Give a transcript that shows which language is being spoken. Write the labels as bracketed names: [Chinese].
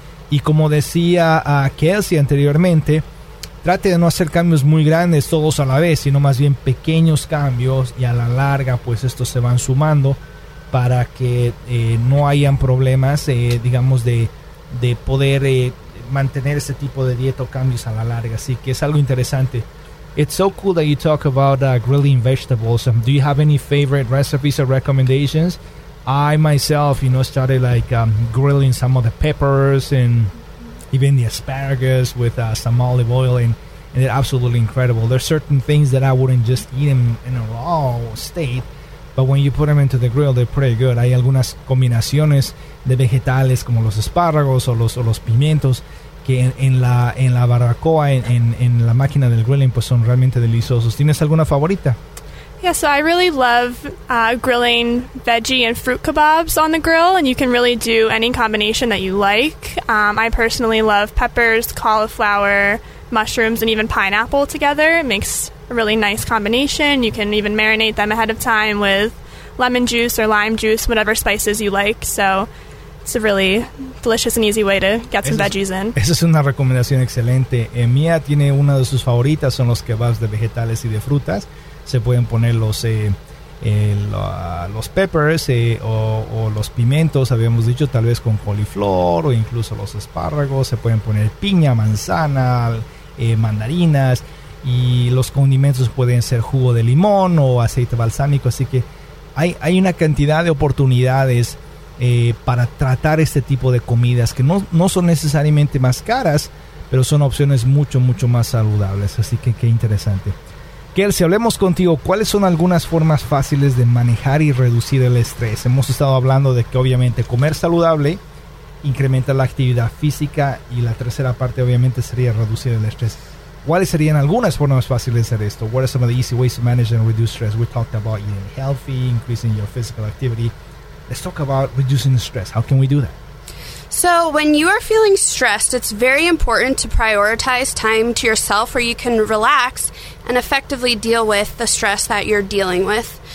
[Spanish] Y como decía Kelsey anteriormente, trate de no hacer cambios muy grandes todos a la vez, sino más bien pequeños cambios, y a la larga pues estos se van sumando para que no hayan problemas, digamos, de poder mantener ese tipo de dieta o cambios a la larga. Así que es algo interesante. [English] It's so cool that you talk about grilling vegetables. Do you have any favorite recipes or recommendations? I myself, you know, started like grilling some of the peppers and even the asparagus with some olive oil, and it's absolutely incredible. There's certain things that I wouldn't just eat them in a raw state, but when you put them into the grill, they're pretty good. [Spanish] Hay algunas combinaciones de vegetales como los espárragos o los pimientos que en la barbacoa, en la máquina del grilling, pues son realmente deliciosos. ¿Tienes alguna favorita? [English] Yeah, so I really love grilling veggie and fruit kebabs on the grill, and you can really do any combination that you like. I personally love peppers, cauliflower, mushrooms, and even pineapple together. It makes a really nice combination. You can even marinate them ahead of time with lemon juice or lime juice, whatever spices you like. So it's a really delicious and easy way to get some veggies in. [Spanish] Esa es una recomendación excelente. Mía tiene una de sus favoritas, son los kebabs de vegetales y de frutas. Se pueden poner los peppers o los pimientos, habíamos dicho, tal vez con coliflor o incluso los espárragos. Se pueden poner piña, manzana, mandarinas, y los condimentos pueden ser jugo de limón o aceite balsámico. Así que hay una cantidad de oportunidades para tratar este tipo de comidas que no son necesariamente más caras, pero son opciones mucho, mucho más saludables. Así que qué interesante. Kelsey, hablemos contigo. ¿Cuáles son algunas formas fáciles de manejar y reducir el estrés? Hemos estado hablando de que obviamente comer saludable incrementa la actividad física, y la tercera parte obviamente sería reducir el estrés. ¿Cuáles serían algunas formas fáciles de hacer esto? [English] What are some of the easy ways to manage and reduce stress? We talked about eating healthy, increasing your physical activity. Let's talk about reducing the stress. How can we do that? So when you are feeling stressed, it's very important to prioritize time to yourself where you can relax and effectively deal with the stress that you're dealing with.